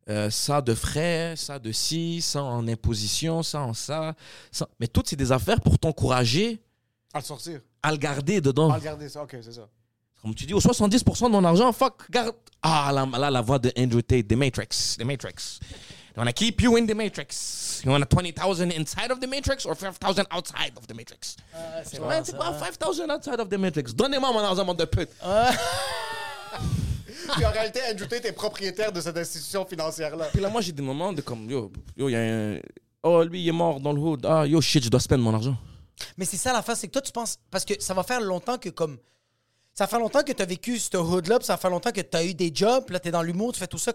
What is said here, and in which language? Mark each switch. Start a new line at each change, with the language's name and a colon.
French: Ça de frais, ça de ci, ça en imposition, ça en ça. Ça. Mais toutes, c'est des affaires pour t'encourager à le sortir. À le garder dedans. À le garder, ça, ok, c'est ça. Comme tu dis, au 70% de mon argent, fuck, garde. Ah, la voix de Andrew Tate, The Matrix.
English: They want to keep you in the Matrix. You want 20,000 inside of the Matrix or 5,000 outside of the Matrix?
French: C'est quoi
English: 5,000 outside of the Matrix?
French: Donnez-moi mon argent, mon de pute. Puis en réalité, Andrew Tate est propriétaire de cette institution financière-là. Puis là, moi, j'ai des moments de comme, yo, il y a un... Oh, lui, il est mort dans le hood. Ah, yo, shit, je dois spend mon argent. Mais c'est ça, la fin, c'est que toi, tu penses... Parce que ça va faire longtemps que comme... Ça fait longtemps que tu as vécu ce hood-là, puis ça fait longtemps que tu as eu des jobs, puis là, tu es dans l'humour, tu fais tout ça.